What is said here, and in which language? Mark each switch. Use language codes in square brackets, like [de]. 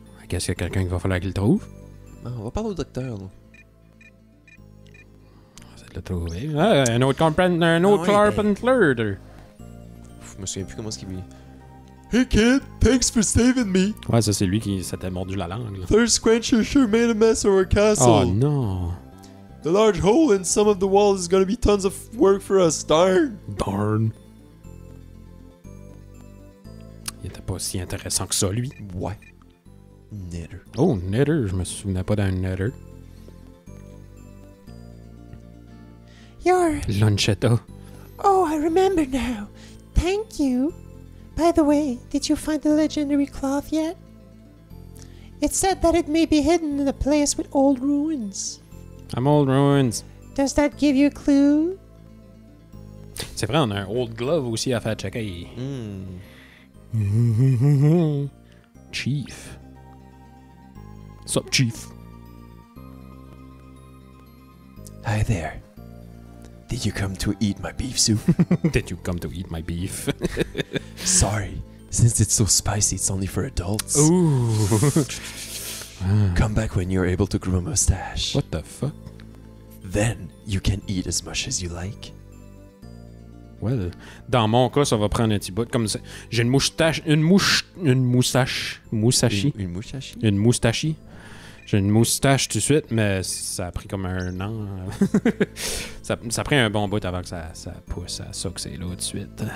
[en] I guess [fr] il y a quelqu'un qui va falloir qu'il trouve. Non, on va parler au docteur, là. Le trouver. Ah, un autre carpenter. Je me souviens plus comment est-ce qu'il dit. [en] Hey kid, thanks for saving me. [fr] Ouais, ça c'est lui qui s'était mordu la langue. Là. [en] Third Squencher sure made a mess of our castle. [fr] Oh non. [en] The large hole in some of the walls is gonna be tons of work for us, darn. Darn. [fr] Il était pas si intéressant que ça, lui. Ouais. Knitter. Oh, Knitter, je me souvenais pas d'un Knitter. [en] Your... Lunchetto. Oh, I remember now. Thank you. By the way, did you find the legendary cloth yet? It said that it may be hidden in a place with old ruins. I'm old ruins. Does that give you a clue? [fr] C'est vrai, on a un [en] old glove [fr] aussi à faire checker. Mm. [en] Chief. Sup, Chief. Hi there. Did you come to eat my beef soup? Did you come to eat my beef? Sorry, since it's so spicy, it's only for adults. Ooh. Come back when you're able to grow a mustache. What the fuck? Then you can eat as much as you like. [fr] Well, dans mon cas, ça va prendre un petit bout. Comme ça. J'ai une moustache. Une moustache. J'ai une moustache tout de suite, mais ça a pris comme un an. ça a pris un bon bout avant que ça pousse à succès là tout de suite.